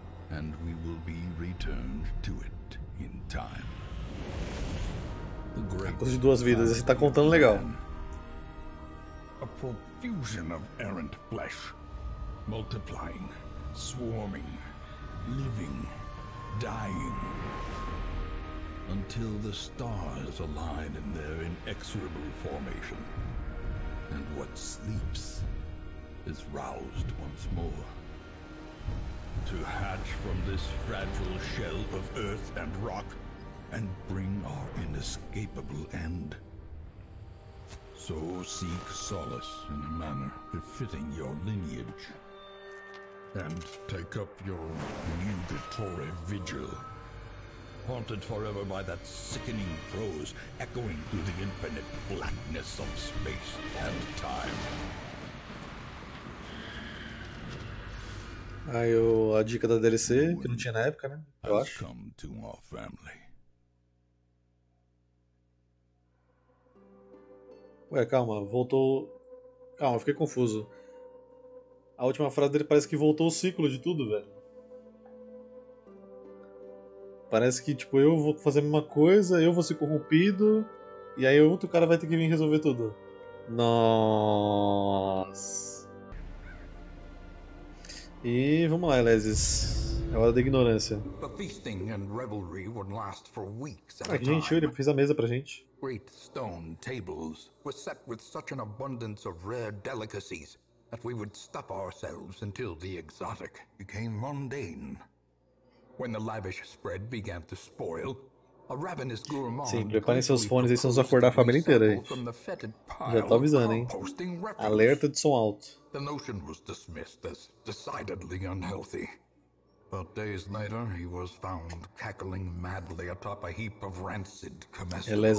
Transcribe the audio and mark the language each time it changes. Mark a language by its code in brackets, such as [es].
[en] And we will be returned to it in time. [pt] A coisa de duas vidas, esse tá contando legal. [en] A profusion of errant flesh multiplying. Swarming, living, dying, until the stars align in their inexorable formation, and what sleeps is roused once more. To hatch from this fragile shell of earth and rock, and bring our inescapable end. So seek solace in a manner befitting your lineage. And take up your nugatory vigil, haunted forever by that sickening prose echoing through the infinite blackness of space and time. [pt] Aí a dica da DLC, que não tinha na época, né? Eu acho. [en] Come to our family. [pt] Ué, calma, voltou. Calma, eu fiquei confuso. A última frase dele parece que voltou o ciclo de tudo, velho. Parece que, tipo, eu vou fazer a mesma coisa, eu vou ser corrompido, e aí outro cara vai ter que vir resolver tudo. Nossa. E vamos lá, Elesis. É hora da ignorância. Aqui, gente, ele fez a mesa pra gente. [en] Great stone tables were set with such an abundance of rare delicacies. That we would stuff ourselves until the exotic became mundane. When the lavish spread began to spoil, a ravenous gourmand. [pt] Sim, preparem seus fones, eles vão acordar a família inteira aí. Já tô avisando, hein? Alerta de som alto. [en] The notion was dismissed as decidedly unhealthy. But days later, he was found cackling madly atop a heap of rancid comestibles.